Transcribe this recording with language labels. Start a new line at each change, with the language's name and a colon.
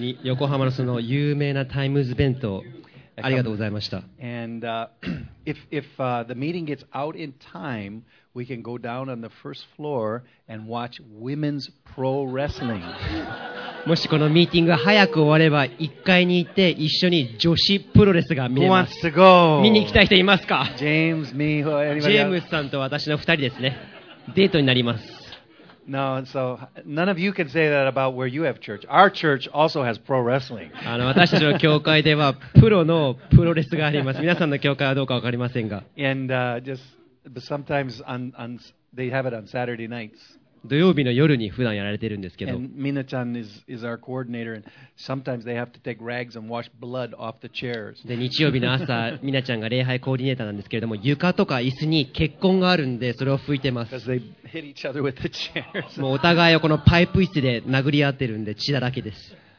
Japanese: Yokohama のその有名なタイムズ弁当、ありがとうございました。
English: And if the meeting gets out in time, we can go down on the first floor and watch women's pro wrestling.
Japanese: もしこのミーティングが早く終われば、1階に行って一緒に女子プロレスが見れます。
English: Who wants to go?
Japanese: 見に行きたい人いますか？
English: James, me, who, anybody else?
Japanese: ジェームスさんと私の2人ですね。デートになります。
English: No, so none of you can say that about where you have church. Our church also has pro wrestling.
Japanese: 私たちの教会ではプロのプロレスがあります。皆さんの教会はどうかわかりませんが。
English: And just sometimes on they have it on Saturday nights.
Japanese: 土曜日の夜に普段やられてるんですけど。
English: And Mina-chan is our coordinator, and sometimes they have to take rags and wash blood off the chairs.
Japanese: で日曜日の朝、ミナちゃんが礼拝コーディネーターなんですけれども、床とか椅子に血痕があるんでそれを拭いてます。
English: Hit each other with the chairs.
Japanese: もうお互いをこのパイプ椅子で殴り合ってるんで血だらけです。